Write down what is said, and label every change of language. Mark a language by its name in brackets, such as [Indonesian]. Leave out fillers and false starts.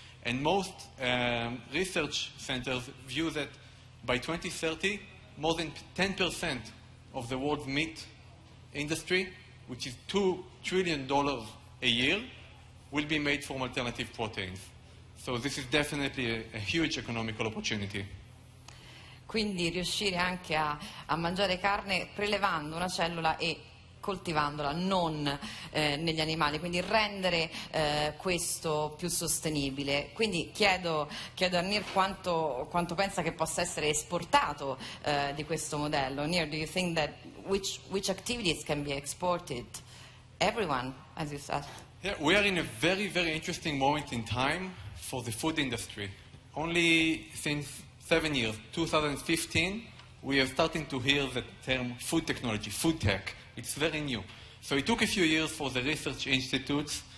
[English] And most research centers view that by 2030, more than 10% of the world's meat industry, which is $2 trillion a year, will be made from alternative proteins. So this is definitely a huge economical opportunity. [Italian] Quindi riuscire anche a mangiare carne prelevando una cellula e coltivandola, non negli animali, quindi rendere questo più sostenibile. Quindi chiedo a Nir quanto pensa che possa essere esportato di questo modello. [English] Nir, do you think that which activities can be exported? Everyone, as you said. Yeah, we are in a very, very interesting moment in time for the food industry. Only since 7 years, 2015, we are starting to hear the term food technology, food tech. It's very new. So it took a few years for the research institutes